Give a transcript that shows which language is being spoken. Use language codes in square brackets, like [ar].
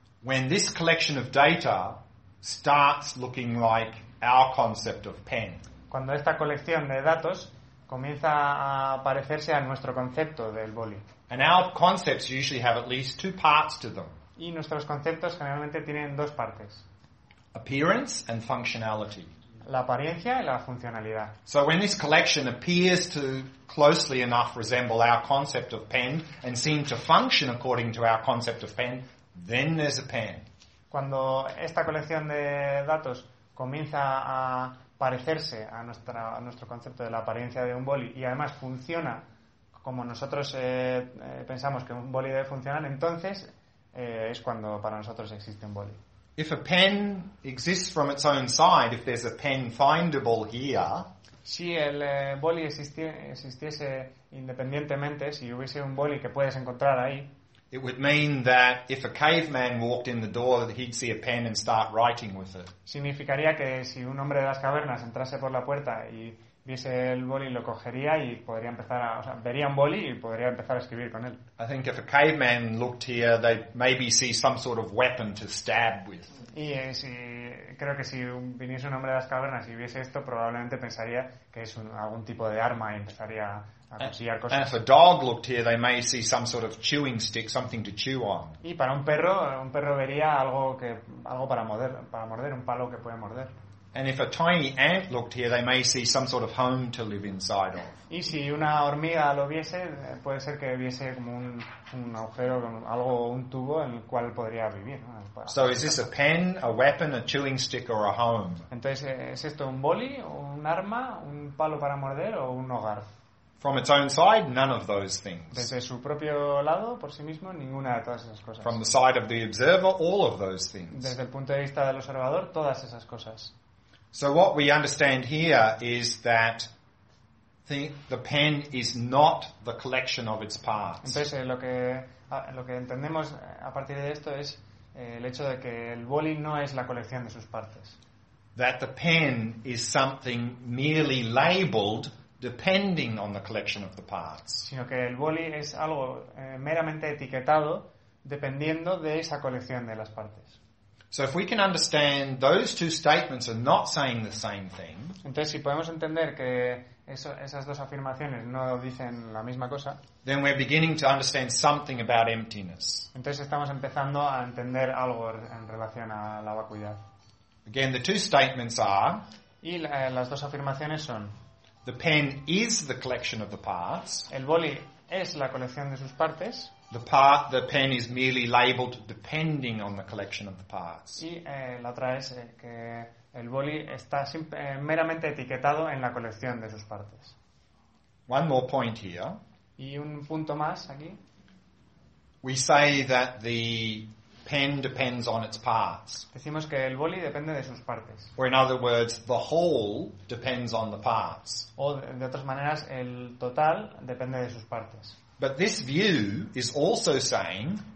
[en] When this collection of data starts looking like our concept of pen. [es] Cuando esta colección de datos comienza a parecerse a nuestro concepto del boli. [en] And our concepts usually have at least two parts to them. [es] Y nuestros conceptos generalmente tienen dos partes. [en] Appearance and functionality. [es] La apariencia y la funcionalidad. [en] So when this collection appears to closely enough resemble our concept of pen and seem to function according to our concept of pen, then there's a pen. [es] Cuando esta colección de datos comienza a parecerse a nuestro concepto de la apariencia de un boli y además funciona como nosotros pensamos que un boli debe funcionar, entonces es cuando para nosotros existe un boli. [en] If a pen exists from its own side, if there's a pen findable here, [es] si el boli existiese independientemente, si hubiese un boli que puedes encontrar ahí, [en] it would mean that if a caveman walked in the door, that he'd see a pen and start writing with it. [es] Significaría que si un hombre de las cavernas entrase por la puerta y viese el boli, lo cogería y podría empezar vería un boli y podría empezar a escribir con él. [en] I think if a caveman looked here, they maybe see some sort of weapon to stab with. [es] Y creo que si viniese un hombre de las cavernas y viese esto, probablemente pensaría que es algún tipo de arma y empezaría a cuchillar cosas. [en] And if a dog looked here, they may see some sort of chewing stick, something to chew on. [es] Y para un perro vería algo para morder, un palo que puede morder. [en] And if a tiny ant looked here, they may see some sort of home to live inside of. [es] Y si una hormiga lo viese, puede ser que viese como un agujero, algo, un tubo en el cual podría vivir. [en] So is this a pen, a weapon, a chewing stick, or a home? [es] Entonces, ¿es esto un boli, un arma, un palo para morder o un hogar? [en] From its own side, none of those things. [es] Desde su propio lado, por sí mismo, ninguna de todas esas cosas. [en] From the side of the observer, all of those things. [es] Desde el punto de vista del observador, todas esas cosas. [en] So what we understand here is that the pen is not the collection of its parts. [es] Entonces lo que entendemos a partir de esto es el hecho de que el boli no es la colección de sus partes. [en] That the pen is something merely labeled depending on the collection of the parts. [es] Sino que el boli es algo meramente etiquetado dependiendo de esa colección de las partes. [en] So if we can understand those two statements are not saying the same thing. [es] Entonces, si podemos entender que esas dos afirmaciones no dicen la misma cosa. [en] Then we're beginning to understand something about emptiness. [es] Entonces estamos empezando a entender algo en relación a la vacuidad. [en] Again, the two statements are. [es] Y las dos afirmaciones son. [en] The pen is the collection of the parts. [es] El boli es la colección de sus partes. [en] The pen is merely labeled depending on the collection of the parts. [es] Y la otra es que el boli está meramente etiquetado en la colección de sus partes. [en] One more point here. [es] Y un punto más aquí. [en] We say that the pen depends on its parts. [es] Decimos que el boli depende de sus partes. [en] Or in other words, the whole depends on the parts. [es] O de otras maneras, el total depende de sus partes. [en] But this view is also saying